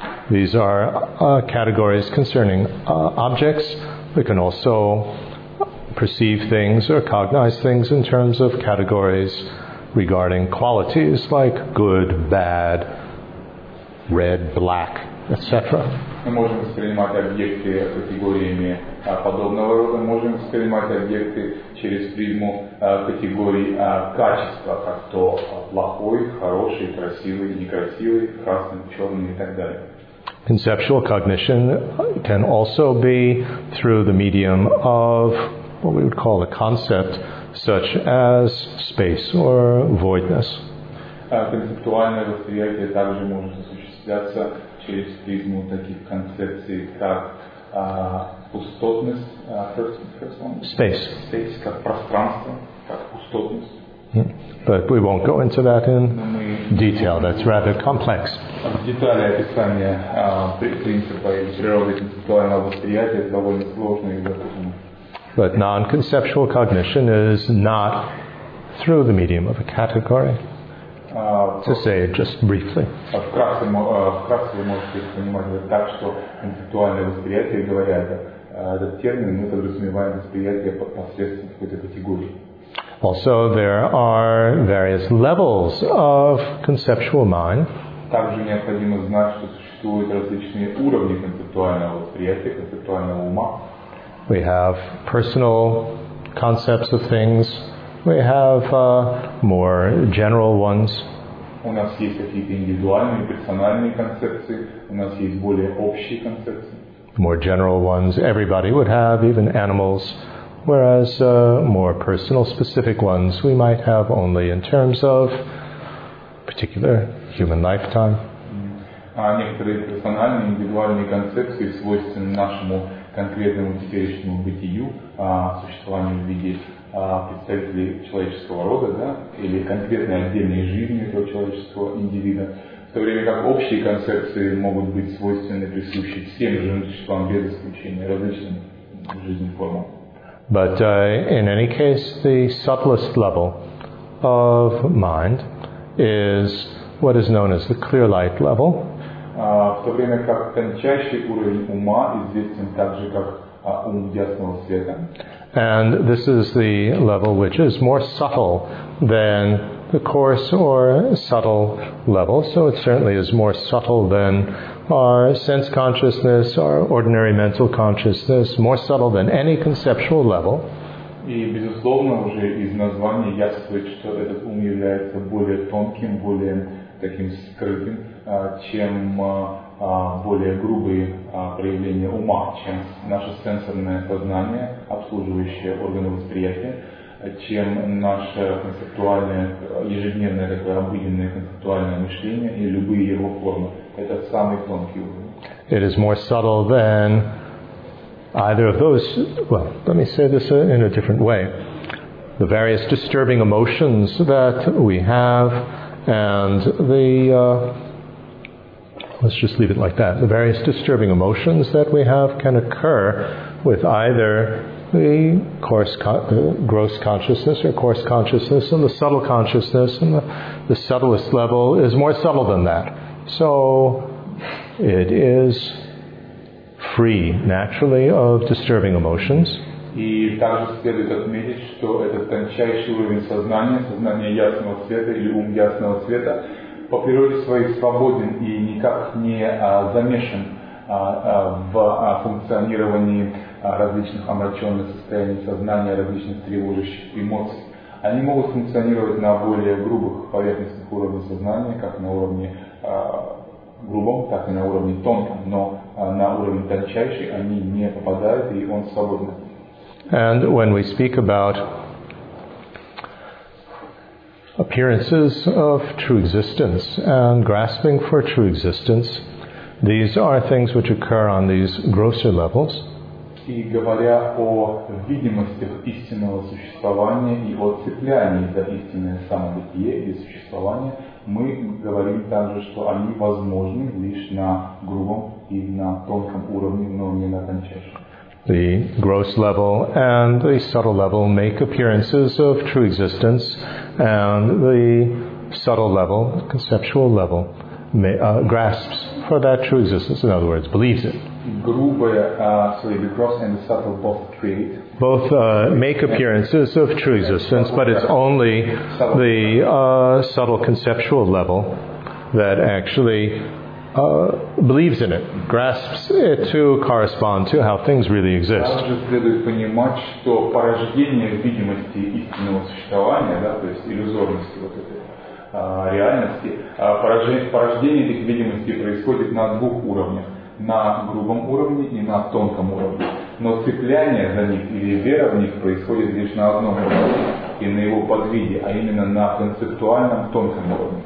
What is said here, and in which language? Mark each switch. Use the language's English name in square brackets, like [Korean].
[English] These are categories concerning objects. We can also perceive things or cognize things in terms of categories regarding qualities like good, bad, red, black, etc. [Russian] Мы можем воспринимать объекты категориями подобного рода, можем воспринимать объекты через призму категории качества, как то плохой, хороший, красивый, некрасивый, красный, черный и так далее. [English] Conceptual cognition can also be through the medium of what we would call a concept, such as space or voidness. [Russian] Концептуальное восприятие также может осуществляться через призму таких концепций, как пустотность, [English] Space, [Russian] как пространство, как пустотность. [English] But we won't go into that in detail, that's rather complex. [Russian] В детали описания принципа и природы концептуального восприятия довольно сложно и запутанно. [English] But non-conceptual cognition is not through the medium of a category. To say it just briefly. [Russian] Вкратце можете понимать это так, что концептуальное восприятие, говоря этот термин, мы подразумеваем восприятие посредством какой-то категории. [English] Also, there are various levels of conceptual mind. [Russian] Также необходимо знать, что существуют различные уровни концептуального восприятия, концептуального ума. [English] We have personal concepts of things. We have more general ones. [Russian] У нас есть какие-то индивидуальные, персональные концепции. У нас есть более общие концепции. [English] More general ones everybody would have, even animals. Whereas more personal, specific ones we might have only in terms of particular human lifetime. [Russian] Некоторые персональные, индивидуальные концепции свойственны нашему конкретному теперешнему бытию, существованию в виде представителей человеческого рода, да, или конкретной отдельной жизни этого человеческого индивида, в то время как общие концепции могут быть свойственны, присущи всем живым существам без исключения, различным жизненным формам. [English] But in any case, the subtlest level of mind is what is known as the clear light level. [Russian] В то время как тончайший уровень ума известен также как ум ясного света. [English] And this is the level which is more subtle than the coarse or subtle level, so it certainly is more subtle than our sense consciousness, our ordinary mental consciousness, more subtle than any conceptual level. [Russian] И, безусловно, уже из названия ясно, что этот ум является более тонким, более таким скрытым, чем более грубые проявления ума, чем наше сенсорное сознание, обслуживающее органы восприятия, чем наше концептуальное, ежедневное, такое обыденное концептуальное мышление и любые его формы. Это самый тонкий уровень. [English] It is more subtle than either of those. Well, let me say this in a different way. The various disturbing emotions that we have and the Let's just leave it like that. The various disturbing emotions that we have can occur with either the coarse, gross consciousness or coarse consciousness, and the subtle consciousness, and the subtlest level is more subtle than that. So it is free, naturally, of disturbing emotions. [Russian] И также следует отметить, что этот тончайший уровень сознания, сознание ясного света или ум ясного света, по природе своей свободен и никак не замешан в функционировании различных омраченных состояний сознания, различных тревожащих эмоций. Они могут функционировать на более грубых поверхностных уровнях сознания, как на уровне грубом, так и на уровне тонком, но на уровне тончайший они не попадают, и он свободен. [English] And when we speak about appearances of true existence and grasping for true existence, these are things which occur on these grosser levels. [Russian] И говоря о видимостях истинного существования и о цеплянии за истинное самобытие и существование, мы говорим также, что они возможны лишь на грубом и на тонком уровне, но не на тончайшем. [English] The gross level and the subtle level make appearances of true existence, and the subtle level, the conceptual level, grasps for that true existence, in other words, believes it. The gross and the subtle both create. Both make appearances of true existence, but it's only the subtle conceptual level that actually believes in it, grasps it to correspond to how things really exist. [Russian] Также следует понимать, что порождение видимости истинного существования, да, то есть иллюзорности вот этой реальности, порождение этих видимостей происходит на двух уровнях, на грубом уровне и на тонком уровне. Но цепляние за них или вера в них происходит лишь на одном уровне и на его подвиде, а именно на концептуальном тонком уровне.